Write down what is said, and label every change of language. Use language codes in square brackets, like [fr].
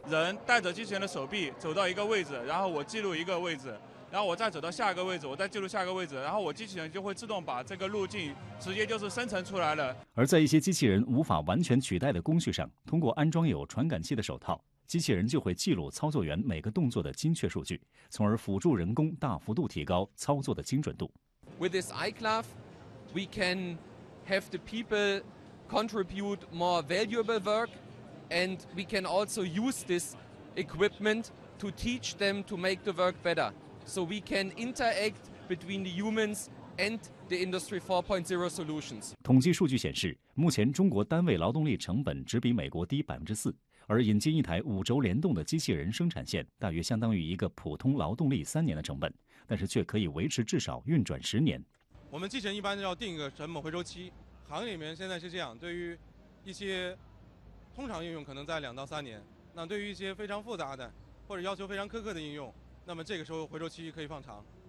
[zh] 人带着机器人的手臂走到一个位置，然后我记录一个位置，然后我再走到下一个位置，我再记录下一个位置，然后我机器人就会自动把这个路径直接就是生成出来了。而在一些机器人无法完全取代的工序上，通过安装有传感器的手套，机器人就会记录操作员每个动作的精确数据，从而辅助人工大幅度提高操作的精准度。 [en] With this iClove, we can have the people contribute more valuable work, and we can also use this equipment to teach them to make the work better. So we can interact between the humans and the Industry 4.0 solutions. [zh] 统计数据显示，目前中国单位劳动力成本只比美国低4%。而引进一台五轴联动的机器人生产线，大约相当于一个普通劳动力3年的成本，但是却可以维持至少运转10年。我们机器人一般要定一个成本回收期，行里面现在是这样，对于一些通常应用可能在2到3年，那对于一些非常复杂的或者要求非常苛刻的应用，那么这个时候回收期可以放长。